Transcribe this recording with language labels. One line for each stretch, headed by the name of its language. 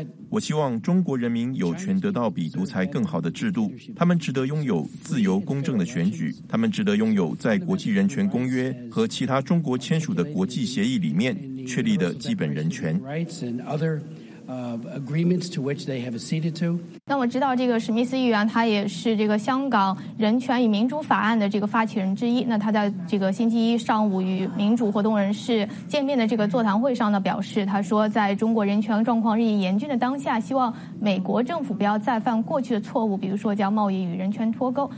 Chinese: 我希望中国人民有权得到比独裁更好的制度，他们值得拥有自由公正的选举，他们值得拥有在国际人权公约和其他中国签署的国际协议里面确立的基本人权。
English: Agreements to which they have acceded to.
Chinese: 那我知道这个史密斯议员，他也是这个香港人权与民主法案的这个发起人之一。那他在这个星期一上午与民主活动人士见面的这个座谈会上呢，表示他说，在中国人权状况日益严峻的当下，希望美国政府不要再犯过去的错误，比如说将贸易与人权脱钩。